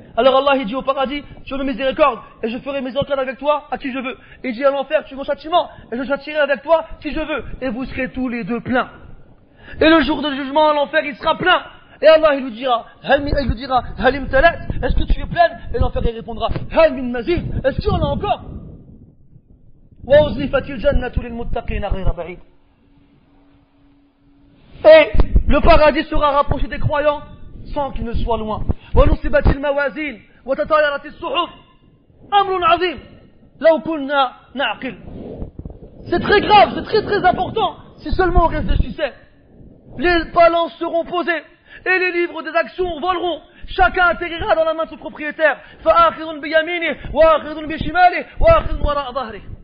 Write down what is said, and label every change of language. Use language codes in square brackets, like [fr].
[fr] Alors Allah, il dit au paradis, tu veux miséricorde et je ferai miséricorde avec toi à qui je veux. Il dit à l'enfer, tu veux mon châtiment et je châtirai avec toi qui je veux. Et vous serez tous les deux pleins. Et le jour du jugement, l'enfer, il sera plein. Et Allah, il lui dira, [ar] halim talat, [fr] est-ce que tu es pleine? Et l'enfer, il répondra, [ar] halim mazid, [fr] est-ce qu'il y en a encore? [ar] وأزلفت الجنة للمتقين غير بعيد. [fr] Et le paradis sera rapproché des croyants sans qu'il ne soit loin. [ar] ونصبت الموازين وتطايرت الصحف. أمر عظيم لو كنا نعقل. [fr] C'est très grave, c'est très très important si seulement on réfléchissait. Les balances seront posées et les livres des actions voleront. Chacun atterrira dans la main de son propriétaire. [ar] فآخذ بيمينه وآخذ بشماله وآخذ وراء ظهره.